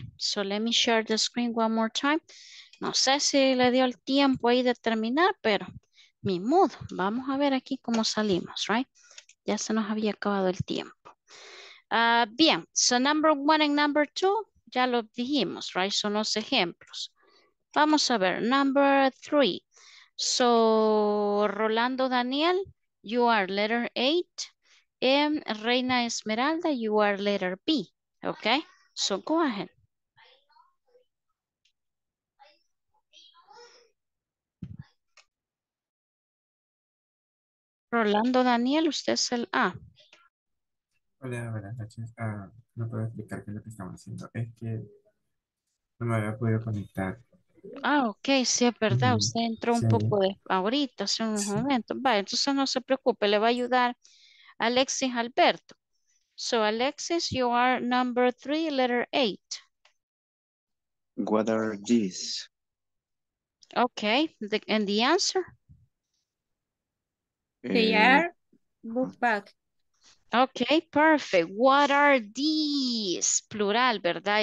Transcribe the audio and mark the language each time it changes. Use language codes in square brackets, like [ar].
[en] So let me share the screen one more time. [es] No sé si le dio el tiempo ahí de terminar, pero mi modo. Vamos a ver aquí cómo salimos, [en] right? [es] Ya se nos había acabado el tiempo. [en] Bien, so number one and number two, [es] ya lo dijimos, [en] right? [es] Son los ejemplos. Vamos a ver, [en] number three. So, Rolando Daniel, you are letter eight. Reina Esmeralda, you are letter B. Okay, so go ahead. [es] Rolando Daniel, usted es el A. Hola, buenas noches. No puedo explicar qué es lo que estamos haciendo. Es que no me había podido conectar. Ah, ok, sí, es verdad. Usted entró un poco de ahorita, hace unos momentos. Vale, entonces no se preocupe, le va a ayudar Alexis Alberto. [en] So, Alexis, you are number three, letter eight. What are these? Okay, and the answer? They are book bag. Okay, perfect. What are these? Plural, [es] ¿verdad?